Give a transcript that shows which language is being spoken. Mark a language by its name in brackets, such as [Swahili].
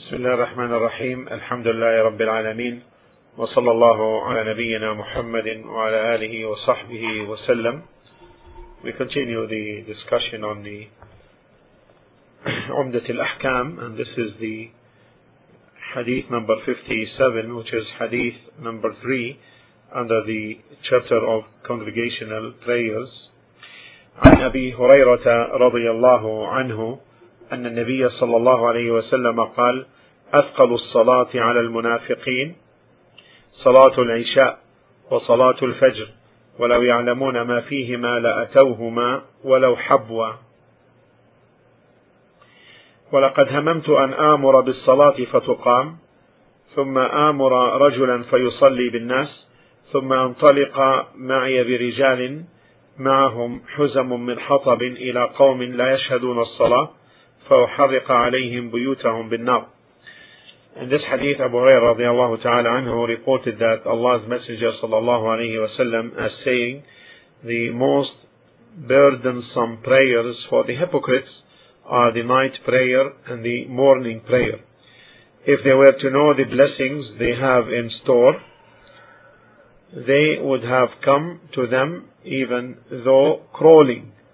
[Arabic] الله الرحمن الرحيم الحمد لله رب العالمين وصلى الله على نبينا محمد وعلى آله وصحبه وسلم. [English] We continue the discussion on the عمدة الأحكام, and this is the hadith number 57, which is hadith number 3 under the chapter of congregational prayers. [Arabic] عن أبي هريرة رضي الله عنه أن النبي صلى الله عليه وسلم قال أثقل الصلاة على المنافقين صلاة العشاء وصلاة الفجر ولو يعلمون ما فيهما لأتوهما ولو حبوا ولقد هممت أن آمر بالصلاة فتقام ثم آمر رجلا فيصلي بالناس ثم انطلق معي برجال معهم حزم من حطب إلى قوم لا يشهدون الصلاة فأحرق عليهم بيوتهم بالنار. [English] In this hadith, Abu Hurairah radiallahu ta'ala anhu reported that Allah's Messenger sallallahu alayhi wa sallam as saying, the most burdensome prayers for the hypocrites are the night prayer and the morning prayer. If they were to know the blessings they have in store, they would have come to them even though crawling.